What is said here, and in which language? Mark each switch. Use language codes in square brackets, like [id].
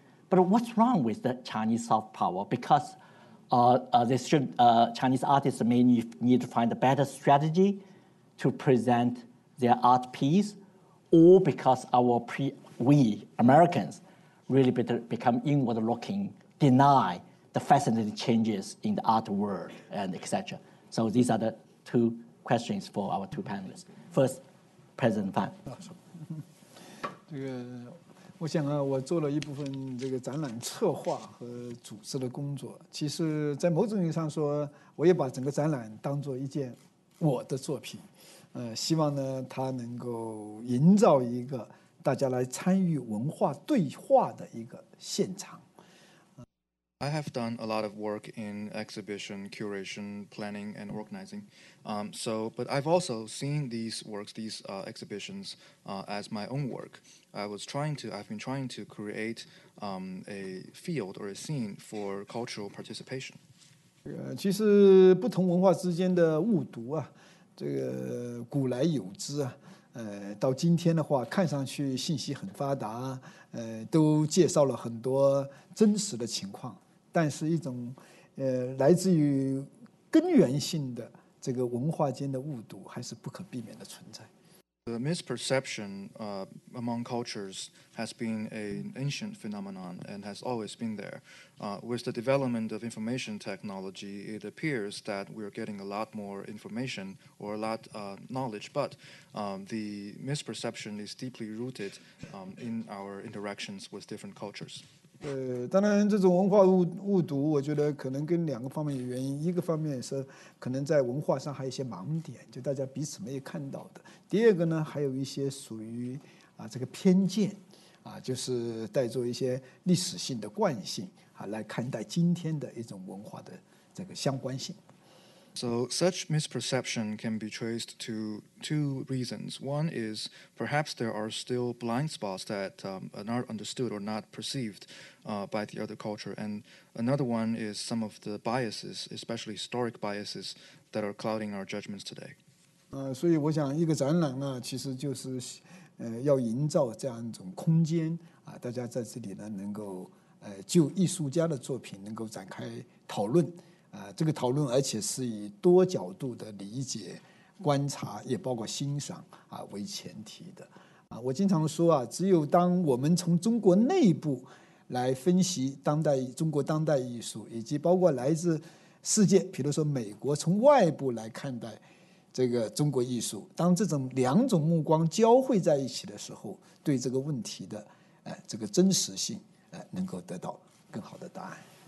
[en] But what's wrong with the Chinese soft power? BecausethChinese artists may need to find a better strategy to present their art piece, or because we Americans really become inward looking, deny the fascinating changes in the art world, and etc. So these are the two questions for our two panelists. First, President Fan. [zh] 这个，我想啊，我做了一部分这个展览策划和组织的工作。其实，在某种意义上说，我也把整个展览当做一件我的作品。希望呢，它能够营造一个大家来参与文化对话的一个现场。 [en] I have done a lot of work in exhibition, curation, planning, and organizing. But I've also seen these works, these exhibitions, as my own work. I've been trying to create a field or a scene for cultural participation. [zh] 其实不同文化之间的误读啊，这个古来有之啊，到今天的话，看上去信息很发达，都介绍了很多真实的情况。但是一种，来自于根源性的这个文化间的误读还是不可避免的存在。 [en] The misperception among cultures has been an ancient phenomenon and has always been there. With the development of information technology, it appears that we are getting a lot more information or a lot knowledge, but the misperception is deeply rooted in our interactions with different cultures. [zh] 当然这种文化 误读我觉得可能跟两个方面有原因，一个方面是可能在文化上还有一些盲点，就大家彼此没有看到的，第二个呢还有一些属于这个偏见就是带着一些历史性的惯性来看待今天的一种文化的这个相关性。 [en] So such misperception can be traced to two reasons. One is perhaps there are still blind spots that are not understood or not perceived by the other culture. And another one is some of the biases, especially historic biases, that are clouding our judgments today. [zh] 所以我想一个展览其实就是要营造这样一种空间大家在这里呢能够就艺术家的作品能够展开讨论。这个讨论而且是以多角度的理解观察也包括欣赏为前提的我经常说只有当我们从中国内部来分析当代中国当代艺术以及包括来自世界比如说美国从外部来看待这个中国艺术当这种两种目光交汇在一起的时候对这个问题的这个真实性能够得到更好的答案。